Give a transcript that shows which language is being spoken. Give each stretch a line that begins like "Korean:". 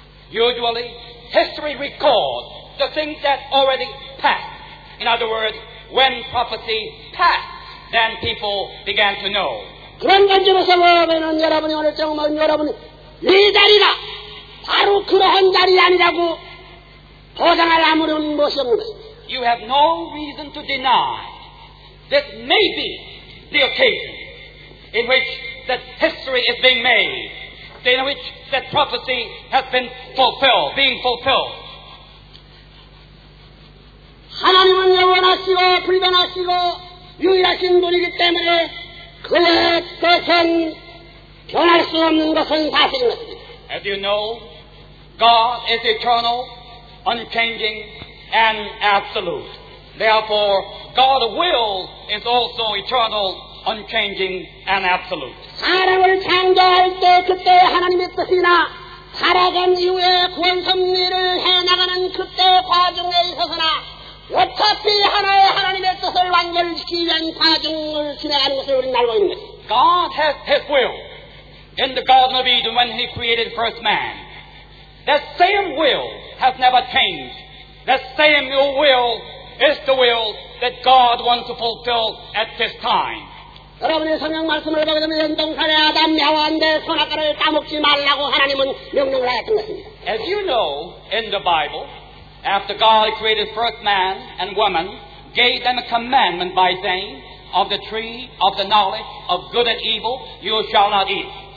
English: Usually, history records the things that already passed. In other words, when prophecy passed, then people began to know.
Korean: 그런 관점에서 보면 여러분이 오늘 정말 여러분 이 자리가 바로 그러한 자리 아니라고 보장할 아무런 것이 없는 것입니다.
English: You have no reason to deny that maybe the occasion in which that history is being made, in which that prophecy has been fulfilled, being fulfilled.
Korean: 하나님은 영원하시고 불변하시고 유일하신 분이기 때문에 그의 뜻은 변할 수 없는 것은 사실입니다.
English: As you know, God is eternal, unchanging, and absolute. Therefore, God's will is also eternal, unchanging, and absolute.
Korean: 사람을 창조할 때 그때 하나님의 뜻이나 살아간 이후에 구원섭리를 해나가는 그때 과정에 있어서나 어차피 하나의 하나님의 뜻을 완결시키기 위한 과정을 진행하는 것을 우리는 알고 있는 것입니다.
English: God has His will in the Garden of Eden when He created first man. That same will has never changed. That same new will is the will that God wants to fulfill at this time.
Korean: 여러분의 성경 말씀을 보게 되면 연동산에 아담 여호와한테 선악과를 따먹지 말라고 하나님은 명령을 하였던 것입니다.
English: As you know in the Bible, after God created first man and woman, gave them a commandment by saying, of the tree of the knowledge of good and evil, you shall not eat.